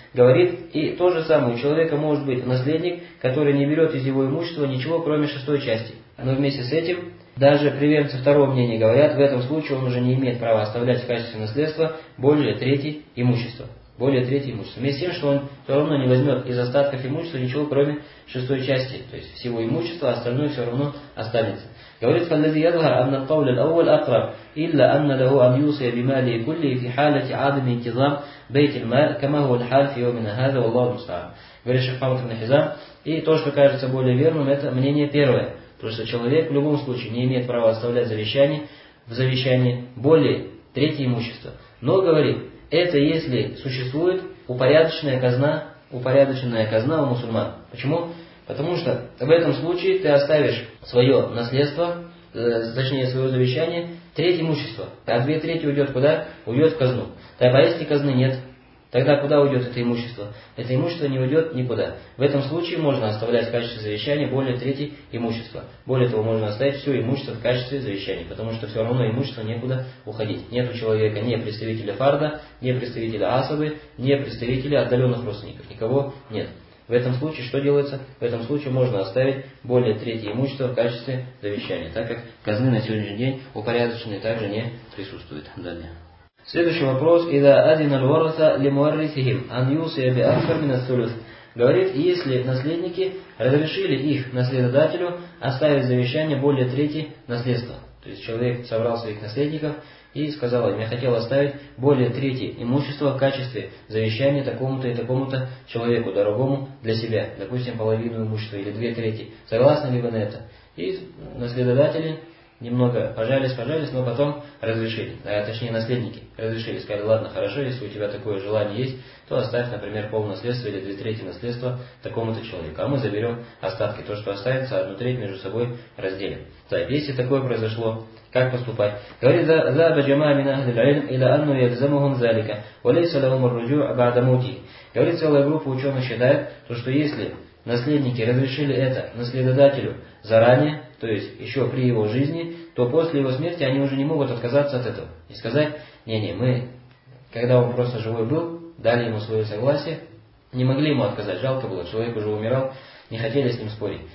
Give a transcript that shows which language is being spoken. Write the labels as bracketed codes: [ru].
[ru] Говорит, и то же самое, у человека может быть наследник, который не берет из его имущества ничего, кроме шестой части. Но вместе с этим Даже приверженцы второго мнения говорят, в этом случае он уже не имеет права оставлять в качестве наследства более трети имущества. Более трети имущества. Вместе с тем, что он все равно не возьмет из остатков имущества ничего, кроме шестой части. То есть всего имущества, остальное все равно останется. [ar] Говорит, الذي يظهر أن القول الأول أقرب إلا أن له أن يوصي بماله كله في حالة عدم انتظام بيت المال كما هو الحال في يومنا هذا والله المستعان. [ru] Говорит шейх Мухаммад ибн Хизам, и то, что кажется более верным, это мнение первое. То, что человек в любом случае не имеет права оставлять завещание, в завещании более трети имущества. Но, говорит, это если существует упорядоченная казна у мусульман. Почему? Потому что в этом случае ты оставишь свое наследство, точнее свое завещание, треть имущества. А две трети уйдет куда? Уйдет в казну. Тогда если казны нет, тогда куда уйдет это имущество? Это имущество не уйдет никуда. В этом случае можно оставлять в качестве завещания более трети имущества. Более того, можно оставить все имущество в качестве завещания. Потому что все равно имущество некуда уходить. Нет у человека ни представителя фарда, ни представителя асабы, ни представителя отдаленных родственников. Никого нет. В этом случае что делается? В этом случае можно оставить более трети имущества в качестве завещания, так как казны на сегодняшний день упорядоченные также не присутствуют. Далее. Следующий вопрос. [ar] إذا أذن الورثة لمورثهم أن يوصي بأكثر من الثلث. [ru] Говорит, если наследники разрешили их наследодателю оставить завещание более трети наследства. То есть человек собрал своих наследников и сказал им, я хотел оставить более трети имущества в качестве завещания такому-то и такому-то человеку, дорогому для себя. Допустим, половину имущества или две трети. Согласны ли вы на это? И наследодатели немного пожались, но потом разрешили. А точнее, наследники разрешили. Сказали, ладно, хорошо, если у тебя такое желание есть, то оставь, например, полнаследство или две трети наследства такому-то человеку. А мы заберем остатки. То, что останется, одну треть между собой разделим. Так, если такое произошло, как поступать? [ar] Говорит, ذهب جماعة من أهل العلم إلى أنه يلزمهم ذلك وليس لهم الرجوع بعد موته. [ru] Говорит, целая группа ученых считает, то, что если наследники разрешили это наследодателю заранее, то есть еще при его жизни, то после его смерти они уже не могут отказаться от этого. И сказать, мы, когда он просто живой был, дали ему свое согласие, не могли ему отказать, жалко было, человек уже умирал, не хотели с ним спорить.